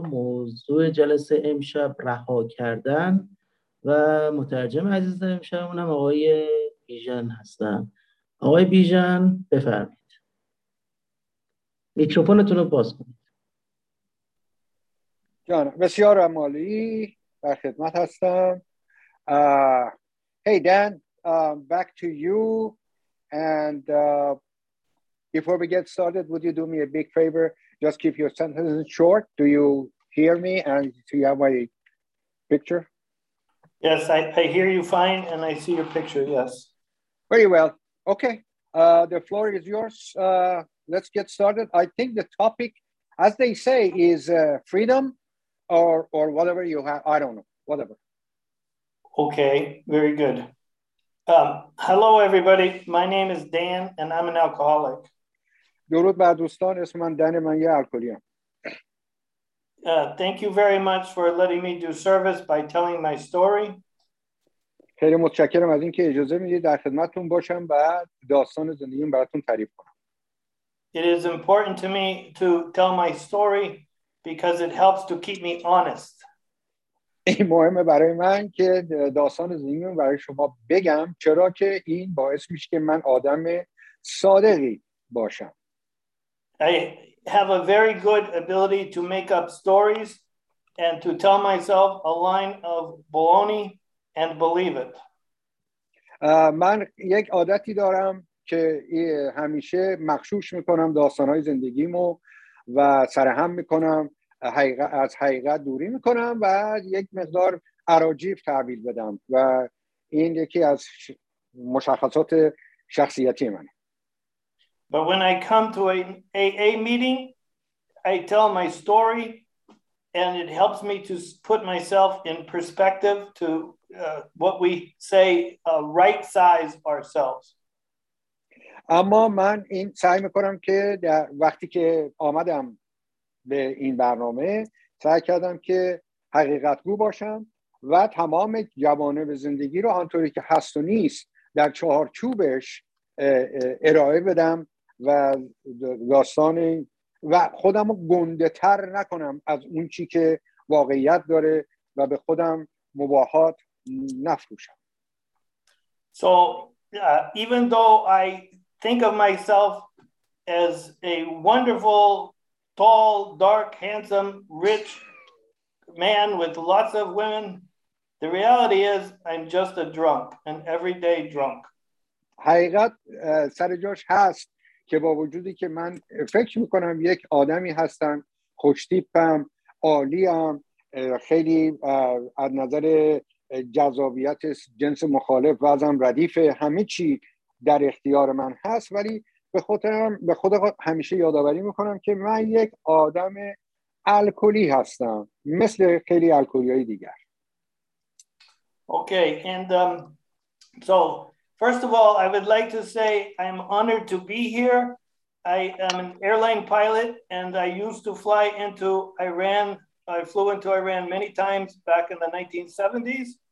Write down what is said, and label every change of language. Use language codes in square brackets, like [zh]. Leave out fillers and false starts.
[fa] موضوع جلسه امشب رها کردن و مترجم عزیز امشبمون هم آقای بیژن هستند. آقای بیژن بفرمایید، میکروفونتون رو باز کنید. جان بسیار عمالی، در خدمت هستم. [en] Hey Dan, back to you. And before we get started, would you do me a big favor? Just keep your sentences short. Do you hear me? And do you have my picture? Yes, I hear you fine, and I see your picture. Yes. Very well. Okay. The floor is yours. Let's get started. I think the topic, as they say, is freedom. Or whatever you have, I don't know, whatever. Okay, very good. Hello, everybody. My name is Dan, and I'm an alcoholic. [fa] درود بر دوستان، اسم من دن، من یه الکلیم. [en] Thank you very much for letting me do service by telling my story. [fa] خیلی متشکرم از اینکه اجازه میدید در خدمتتون باشم و داستان زندگیم براتون تعریف کنم. [en] It is important to me to tell my story because it helps to keep me honest. [fa] این مهمه برای من که داستان زندگیم برای شما بگم، چرا که این باعث میشه که من آدم صادقی باشم. [en] I have a very good ability to make up stories and to tell myself a line of baloney and believe it. [fa] من یک عادتی دارم که همیشه مغشوش میکنم داستانهای زندگیمو و سرهم میکنم، از حقیقت دوری میکنم و یک مقدار اراجیف تحویل بدم و این یکی از مشخصات شخصیتی منه. [en] But when I come to an AA meeting, I tell my story and it helps me to put myself in perspective to what we say right size ourselves. [fa] اما من این سعی میکنم که در وقتی که آمدم به این برنامه سعی کردم که حقیقتگو باشم و تمام جوانب به زندگی رو آنطوری که هست و نیست در چهارچوبش ارائه بدم و داستان و خودم رو گنده تر نکنم از اون چی که واقعیت داره و به خودم مباهات نفروشم. [en] So even though I think of myself as a wonderful tall, dark, handsome, rich man with lots of women, the reality is I'm just a drunk, an everyday drunk. [fa] حقیقت سر جاش هست که با وجودی که من فکر میکنم یک آدمی هستم خوشتیپم، عالیم، خیلی از نظر جذابیت جنس مخالف وزم ردیف، همه چی در اختیار من هست، ولی به خود همیشه یادآوری میکنم که من یک آدم الکلی هستم مثل خیلی الکلی‌های دیگر. [en] Okay, and so first of all, I would like to say I'm honored to be here. I am an airline pilot and I used to fly into Iran. I flew into Iran many times back in the 1970s.